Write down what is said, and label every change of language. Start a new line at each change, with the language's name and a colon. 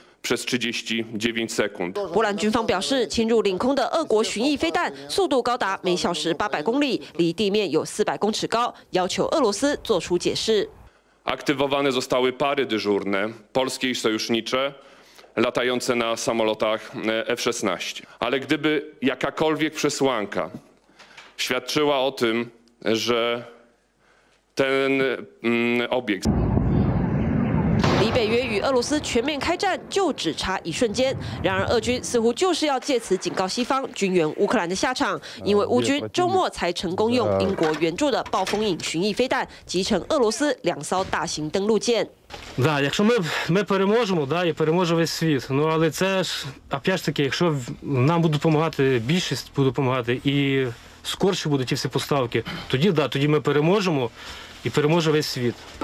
Polish: Przez 39 sekund.
Chinese: 波兰军方表示，侵入领空的俄国巡弋飞弹速度高达每小时800公里，离地面有400公尺高，要求俄罗斯做出解释。
Polish: Aktywowane zostały pary dyżurne, polskie i sojusznicze, latające na samolotach F-16. Ale gdyby jakakolwiek przesłanka świadczyła o tym, że ten obiekt...
Chinese: 李北约与俄罗斯全面开战就只差一瞬间，然而俄军似乎就是要借此警告西方军援乌克兰的下场，因为乌军周末才成功用英国援助的暴风影巡弋飞弹击沉俄罗斯两艘大型登陆舰。
Ukrainian: Да, якщо ми переможемо, да, і переможе весь світ. Ну, але це ж,
Russian: опять ж таки,
Ukrainian: якщо нам будуть допомагати, більшість буде допомагати, і скорше будуть ті всі поставки, тоді, да, тоді ми переможемо, і переможе весь світ.